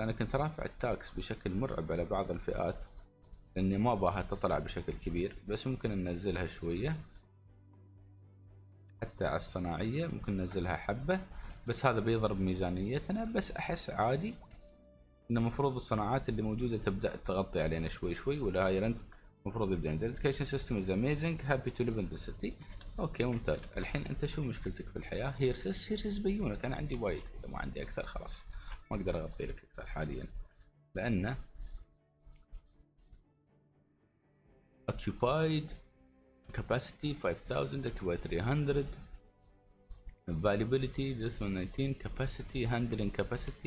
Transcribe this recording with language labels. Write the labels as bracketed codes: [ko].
[ar] انا كنت رافع التاكس بشكل مرعب على بعض الفئات لاني ما باها تطلع بشكل كبير، بس ممكن ننزلها شوية حتى على الصناعية، ممكن ننزلها حبة، بس هذا بيضرب ميزانيتنا. بس احس عادي ان مفروض الصناعات اللي موجودة تبدأ تغطي علينا شوي شوي، ولا هاي رنت مفروض يبدأ ينزل. [en] Education system is amazing, happy to live in the city. [ar] اوكي، ممتاز. الحين انت شو مشكلتك في الحياة؟ هيرسس بيونك. انا عندي وايد، اذا ما عندي اكثر خلاص ما اقدر اغطي لك اكثر حاليا، لان [en] occupied capacity 5000, occupied 300, availability this 19, capacity handling capacity.